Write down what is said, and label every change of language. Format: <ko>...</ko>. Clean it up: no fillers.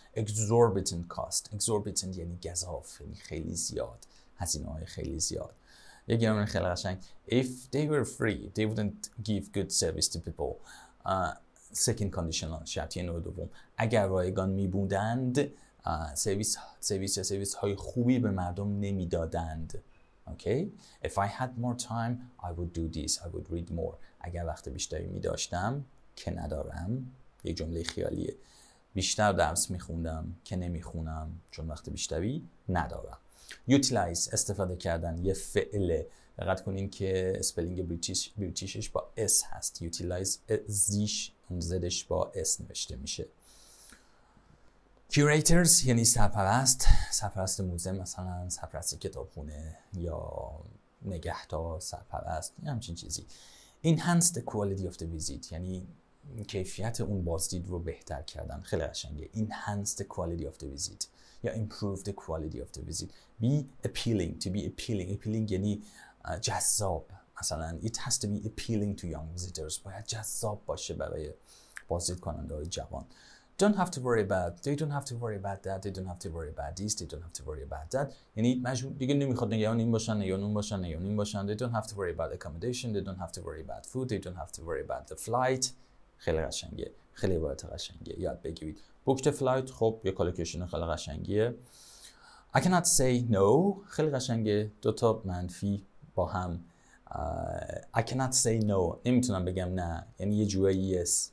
<en>exorbitant cost،</en> <fa>exorbitant یعنی گزاف، یعنی خیلی زیاد، هزینه های خیلی زیاد. یک گرامر خیلی قشنگ،</fa> <en>if they were free they wouldn't give good service to people. Second conditional</en> <fa>شرط یه نوع دوم، اگر رایگان می بودند سرویس یا سرویس های خوبی به مردم نمی دادند.</fa> <en>Okay. If I had more time I would do this, I would read more.</en> <fa>اگر وقت بیشتری می داشتم که ندارم، یه جمله خیالیه، بیشتر درس می خوندم که نمی خونم چون وقت بیشتری ندارم. Utilize، استفاده کردن، یه فعله. دقت کنین که اسپلینگ بریتیشش با اس هست. utilize زیش اون زدش با اس نوشته میشه. curators یعنی سرپرست، سرپرست موزه مثلا، سرپرست کتابخونه یا نگهدار، سرپرست یا همچین چیزی.</fa> <en>enhance the quality of the visit</en> <fa>یعنی کیفیت اون بازدید رو بهتر کردن. خیلی قشنگه.</fa> <en>enhance the quality of the visit یا improve the quality of the visit. be appealing، to be appealing. appealing</en> <fa>یعنی جذاب. مثلا</fa> <en>it has to be appealing to young visitors،</en> <fa>باید جذاب باشه برای بازدید کننده های جوان.</fa> <en>don't have to worry about، they don't have to worry about that، they don't have to worry about this، they don't have to worry about that.</en> <fa>یعنی دیگه نمیخواد نگران این باشن یا اون باشن یا اون باشن.</fa> <en>they don't have to worry about accommodation، they don't have to worry about food، they don't have to worry about the flight.</en> <fa>خیلی قشنگه، خیلی عبارت قشنگه، یاد بگیرید.</fa> <en>book the flight</en> <fa>خب یه کالکیشن خیلی قشنگیه.</fa> <en>i cannot say no</en> <fa>خیلی قشنگه. دو تا منفی با هم.</fa> <en>I cannot say no،</en> <fa>نمیتونم بگم نه، یعنی یه جوه yes.</fa>